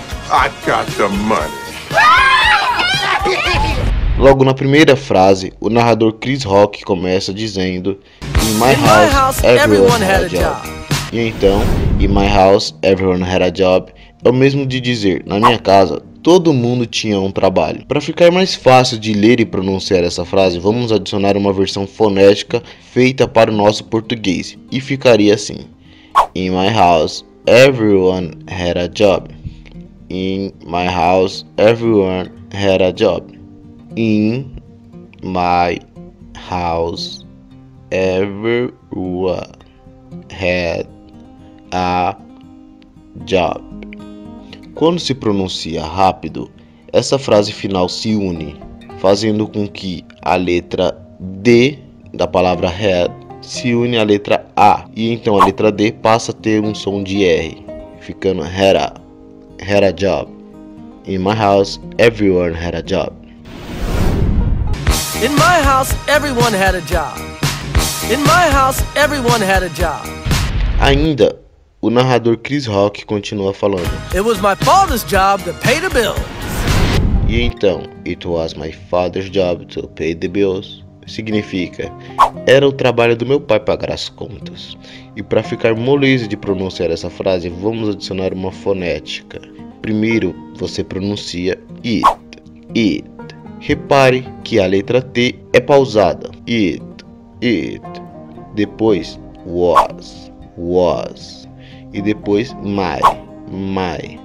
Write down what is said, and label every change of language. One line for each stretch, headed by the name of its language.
English: I got the money.
Portuguese: Logo na primeira frase, o narrador Chris Rock começa dizendo:
English: In my house, everyone had a job.
Portuguese: E então,
English: In my house, everyone had a job.
Portuguese: É o mesmo de dizer: Na minha casa, todo mundo tinha um trabalho. Para ficar mais fácil de ler e pronunciar essa frase, vamos adicionar uma versão fonética feita para o nosso português. E ficaria assim:
English: In my house, everyone had a job. In my house, everyone had a job. In my house, everyone had a job.
Portuguese: Quando se pronuncia rápido, essa frase final se une, fazendo com que a letra D da palavra had se une à letra A, e então a letra D passa a ter um som de R, ficando had a job.
English: In my house, everyone had a job. In my house, everyone had a job. In my house, everyone had a job.
Portuguese: Ainda, o narrador Chris Rock continua falando:
English: It was my father's job to pay the bills.
Portuguese: E então,
English: it was my father's job to pay the bills,
Portuguese: significa: era o trabalho do meu pai pagar as contas. E para ficar moleza de pronunciar essa frase, vamos adicionar uma fonética. Primeiro, você pronuncia it, it. Repare que a letra T é pausada. It, it. Depois, was, was. E depois my, my.